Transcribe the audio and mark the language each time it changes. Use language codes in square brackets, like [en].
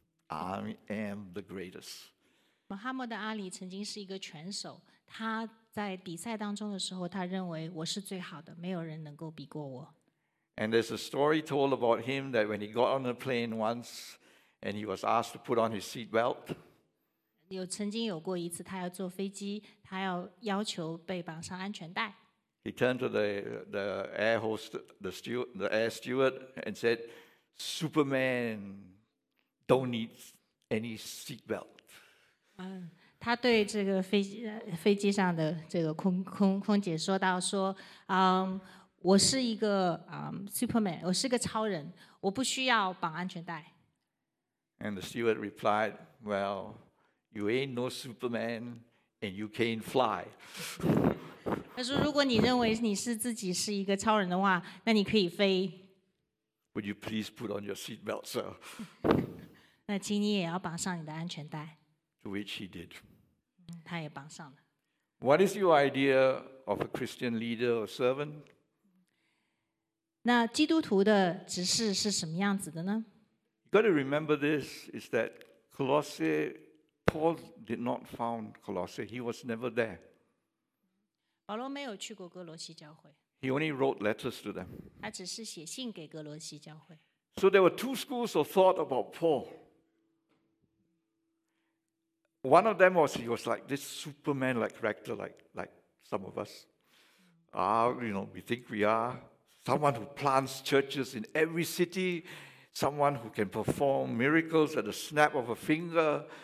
[en] I am the greatest. [zh] Muhammad Ali 曾经是一个拳手，他在比赛当中的时候，他认为我是最好的，没有人能够比过我。 [en] And there's a story told about him that when he got on a plane once, and he was asked to put on his seatbelt, [zh] 有曾经有过一次，他要坐飞机，他要要求被绑上安全带。 [en] He turned to the air host, the air steward, and said, "Superman don't need any seat belt." [zh] 他对这个飞机上的这个空姐说到说，我是一个Superman, 我是个超人，我不需要绑安全带。 [en] And the steward replied, "Well." You ain't no Superman, and you can't fly. [zh] 他说：“如果你认为你是自己是一个超人的话，那你可以飞。” [en] Would you please put on your seatbelt, sir? [zh] 那请你也要绑上你的安全带。 [en] To which he did. [zh] 他也绑上了。 [en] What is your idea of a Christian leader or servant? [zh] 那基督徒的执事是什么样子的呢？ [en] You got to remember this: is that Colossae. Paul did not found Colossae. He was never there. [zh] 保罗没有去过哥罗西教会。 [en] He only wrote letters to them. [zh] 他只是写信给哥罗西教会。 [en] So there were two schools of thought about Paul. One of them was he was like this Superman-like character, like some of us. We think we are someone who plants churches in every city, someone who can perform miracles at the snap of a finger.